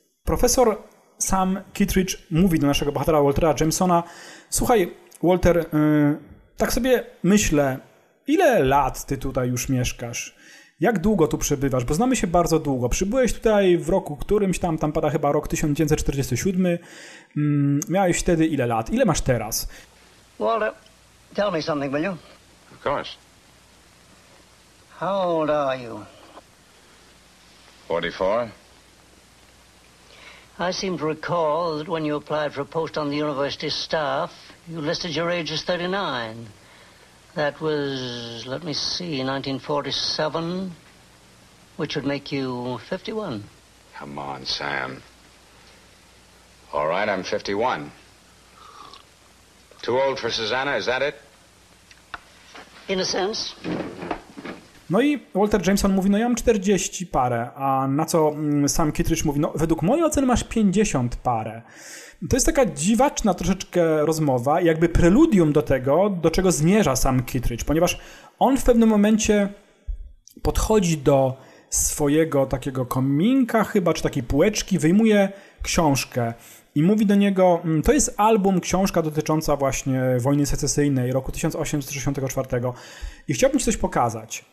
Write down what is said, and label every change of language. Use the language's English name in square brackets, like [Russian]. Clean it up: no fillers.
[Polish] Profesor Sam Kittridge mówi do naszego bohatera Waltera Jamesona: słuchaj, Walter, tak sobie myślę, ile lat ty tutaj już mieszkasz? Jak długo tu przebywasz? Bo znamy się bardzo długo. Przybyłeś tutaj w roku którymś tam pada chyba rok 1947. Miałeś wtedy ile lat? Ile masz teraz? [English] Walter, tell me something, will you? Of course. How old are you? 44. I seem to recall that when you applied for a post on the university staff, you listed your age as 39. That was, let me see, 1947, which would make you 51. Come on, Sam. All right, I'm 51. Too old for Susanna, is that it? In a sense. [Polish] No i Walter Jameson mówi, no ja mam 40 parę, a na co Sam Kittridge mówi, no według mojej oceny masz 50 parę. To jest taka dziwaczna troszeczkę rozmowa, jakby preludium do tego, do czego zmierza Sam Kittridge, ponieważ on w pewnym momencie podchodzi do swojego takiego kominka chyba, czy takiej półeczki, wyjmuje książkę i mówi do niego, to jest album, książka dotycząca właśnie wojny secesyjnej roku 1864 i chciałbym ci coś pokazać.